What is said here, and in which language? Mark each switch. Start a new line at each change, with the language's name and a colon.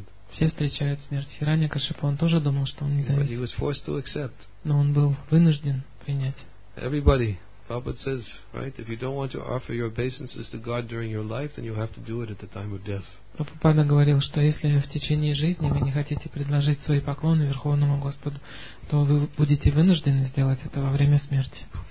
Russian: Все встречают смерть. Хирани Кашипу, он тоже думал, что он независим. Но он был вынужден принять.
English: Everybody. Prabhupada says, right, if you don't want to offer your obeisances to God during your life, then you have to do it at the time of death.
Russian: Прабхупада говорил, что если в течение жизни вы не хотите предложить свои поклоны Верховному Господу, то вы будете вынуждены сделать это во время смерти.